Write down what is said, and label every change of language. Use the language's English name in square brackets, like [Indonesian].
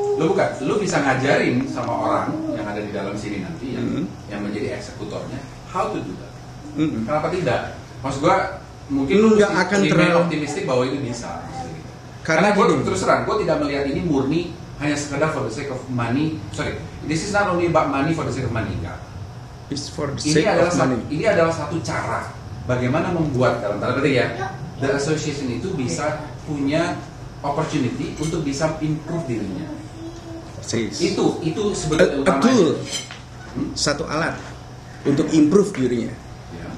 [Indonesian] Lo bukan, lo bisa ngajarin sama orang yang ada di dalam sini nanti yang menjadi eksekutornya, [English] how to do that. [Indonesian] Kenapa tidak? Maksud gue mungkin lo nggak akan terlalu optimistik bahwa itu bisa. Karena gue terus terang, gue tidak melihat ini murni. Hanya sekedar [English] for the sake of money. Sorry, this is not only about money for the sake of money. It's for the sake of money. [Indonesian] Ini adalah satu cara bagaimana membuat dalam tanda petik ya the association itu bisa punya opportunity untuk bisa improve dirinya. Persis. Itu sebenarnya utamanya. [English] A tool. [Indonesian] Satu alat untuk improve dirinya. Yeah.